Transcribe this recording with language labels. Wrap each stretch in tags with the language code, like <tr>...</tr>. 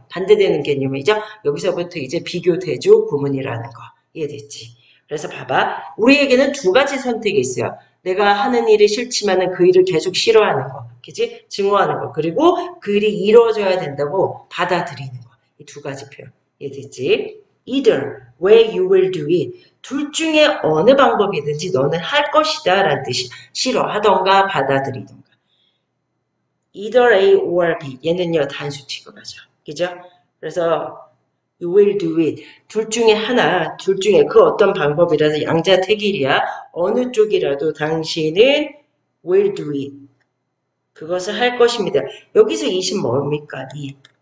<ko>반대되는 개념이죠? 여기서부터 이제 비교 대조 구문이라는 거. 이해됐지? 그래서 봐봐. 우리에게는 두 가지 선택이 있어요. 내가 하는 일이 싫지만은 그 일을 계속 싫어하는 거. 그지? 증오하는 거. 그리고 그 일이 이루어져야 된다고 받아들이는 거. 이두 가지 표현. 이해됐지?</ko> <en>Either way you will do it.</en> <ko>둘 중에 어느 방법이든지 너는 할 것이다. 라는 뜻이야. 싫어하던가 받아들이던가.</ko> <en>Either A or B.</en> <ko>얘는요, 단수치고 가죠. 그죠?</ko> <en>그래서, you will do it.</en> <ko>둘 중에 하나, 둘 중에 그 어떤 방법이라도 양자택일이야. 어느 쪽이라도 당신은</ko> <en>will do it.</en> <ko>그것을 할 것입니다. 여기서 이신 뭡니까? 이.</ko>